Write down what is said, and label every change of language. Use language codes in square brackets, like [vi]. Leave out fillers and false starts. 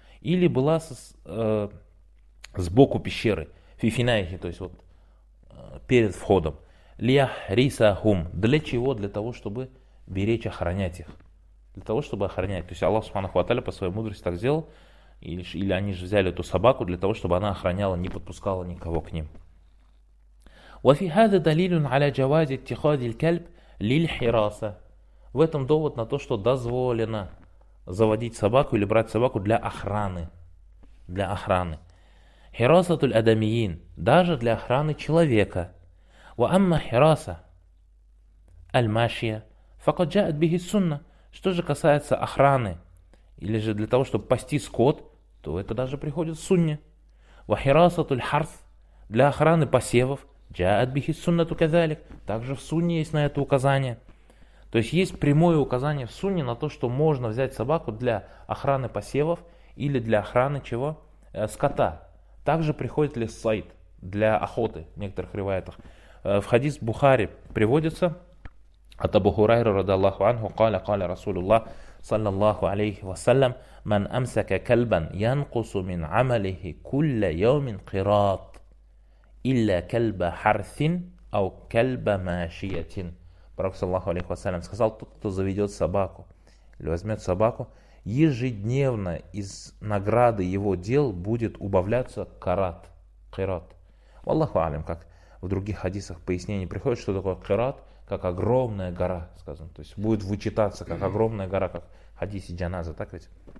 [ru] Или была сбоку пещеры, фифинайхи, то есть вот перед входом. [ar] Лиях риса хум. [ru] Для чего? Для того, чтобы беречь, охранять их. Для того, чтобы охранять. То есть Аллах Субханаху ва Тааля по своей мудрости так сделал. Или они же взяли эту собаку для того, чтобы она охраняла, не подпускала никого к ним. [ar] وفي هذا دليل على جواز اتخاذ الكلب للحراسة. [ru] В этом довод на то, что дозволено заводить собаку или брать собаку для охраны. Для охраны. [ar] حراسة الأدميين. [ru] Даже для охраны человека. [ar] وأما حراسة الماشية فقد جاءت به السنة. [ru] Что же касается охраны, или же для того, чтобы пасти скот, то это даже приходит в сунне. [ar] وَحِرَاسَةُ الْحَرْثِ [ru] для охраны посевов. [ar] جَاءَتْ بِهِ السُنَّةُ كَذَلِكَ [ru] также в сунне есть на это указание. То есть есть прямое указание в сунне на то, что можно взять собаку для охраны посевов или для охраны чего? Скота. Также приходит ли сайд для охоты в некоторых риваятах. В хадис Бухари приводится... [ar] От Абу Хурайра радиаллаху анху قال قال رسول الله صلى الله عليه وسلم من أمسك كلبا ينقص من عمله كل يوم قراط إلا كلب حرث أو كلب ماشية. [ru] Пророк саллаллаху алейхи ва саллям сказал, тот, кто заведет собаку или возьмет собаку, ежедневно из награды его дел будет убавляться карат, кират. Аллаху алим, как в других хадисах пояснений приходит, что такое кират. Как огромная гора, сказано. То есть будет вычитаться, как огромная гора, как хадис и джаназа, так ведь?